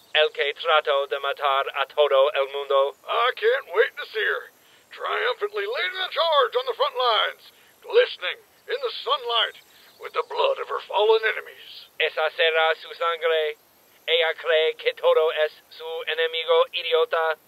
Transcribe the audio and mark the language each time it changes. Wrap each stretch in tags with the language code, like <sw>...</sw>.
<es>El que trato de matar a todo el mundo.</es> <en>I can't wait to see her. Triumphantly leading the charge on the front lines. Glistening in the sunlight with the blood of her fallen enemies.</en> <es>Esa será su sangre. Ella cree que todo es su enemigo idiota.</es>